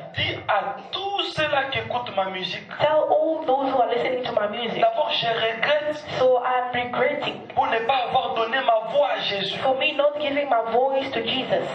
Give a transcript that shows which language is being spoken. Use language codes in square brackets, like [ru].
[fr] Dis à tous ceux-là qui écoutent ma musique. [en] Tell all those who are listening to my music. [fr] D'abord, je regrette. [en] So I'm regretting. [fr] Pour ne pas avoir donné ma voix à Jésus. [en] For me not giving my voice to Jesus.